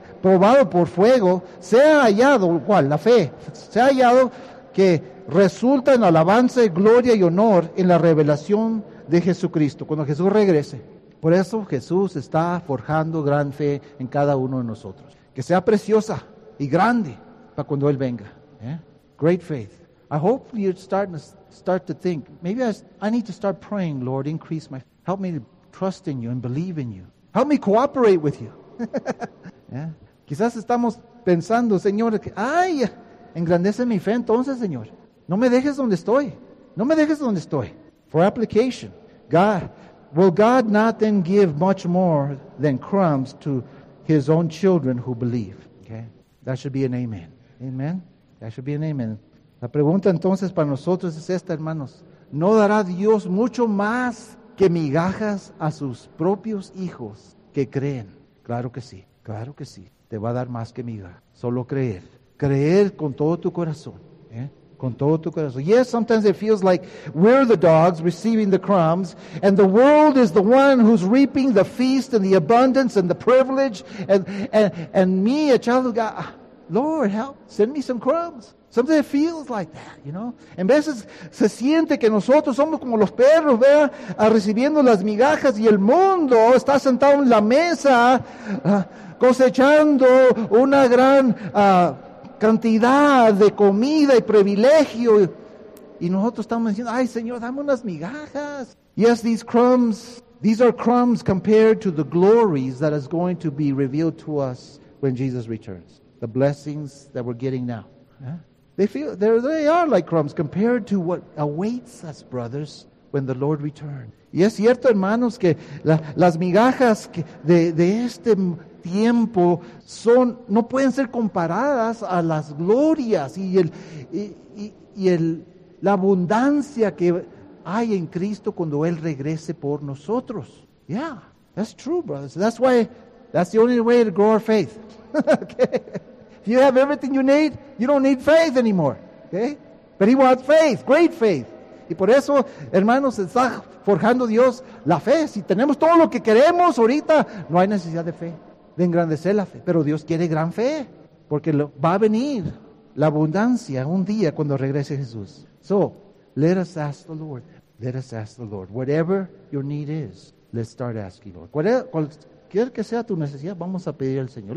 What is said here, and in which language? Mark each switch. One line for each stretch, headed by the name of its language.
Spanish: probado por fuego, sea hallado, ¿cuál? La fe, sea hallado que resulta en alabanza, gloria y honor en la revelación de Jesucristo, cuando Jesús regrese. Por eso Jesús está forjando gran fe en cada uno de nosotros. Que sea preciosa y grande para cuando Él venga.
English: ¿Eh? Great faith. I hope you start to think, maybe I need to start praying, Lord, increase my faith. Help me to trust in you and believe in you. Help me cooperate with you.
Spanish: ¿Eh? Quizás estamos pensando, Señor, que, ay, engrandece mi fe entonces, Señor. No me dejes donde estoy. No me dejes donde estoy.
English: For application, God, will God not then give much more than crumbs to his own children who believe? Okay. That should be an amen. Amen. That should be an amen.
Spanish: La pregunta entonces para nosotros es esta, hermanos. ¿No dará Dios mucho más que migajas a sus propios hijos que creen? Claro que sí. Claro que sí. Te va a dar más que migajas. Solo creer. Creer con todo tu corazón. ¿Eh? Con todo tu corazón.
English: Yes, sometimes it feels like we're the dogs receiving the crumbs, and the world is the one who's reaping the feast and the abundance and the privilege. And me, a child of God, Lord, help, send me some crumbs. Sometimes it feels like that, you know.
Spanish: En veces se siente que nosotros somos como los perros, vea, recibiendo las migajas, y el mundo está sentado en la mesa cosechando una gran cantidad de comida y privilegio, y nosotros estamos diciendo, ay Señor, dame unas migajas.
English: Yes, these are crumbs compared to the glories that is going to be revealed to us when Jesus returns, the blessings that we're getting now. They are like crumbs compared to what awaits us, brothers, when the Lord returns.
Spanish: Y es cierto, hermanos, que las migajas de este tiempo son, no pueden ser comparadas a las glorias y la abundancia que hay en Cristo cuando Él regrese por nosotros.
English: Yeah, that's true, brothers. That's the only way to grow our faith. Okay. If you have everything you need, you don't need faith anymore. Okay? But He wants faith, great faith.
Spanish: Y por eso, hermanos, está forjando Dios la fe. Si tenemos todo lo que queremos ahorita, no hay necesidad de fe. De engrandecer la fe. Pero Dios quiere gran fe. Porque va a venir la abundancia un día cuando regrese Jesús.
English: So, let us ask the Lord. Let us ask the Lord. Whatever your need is, let's start asking the Lord.
Spanish: Cualquier que sea tu necesidad, vamos a pedir al Señor.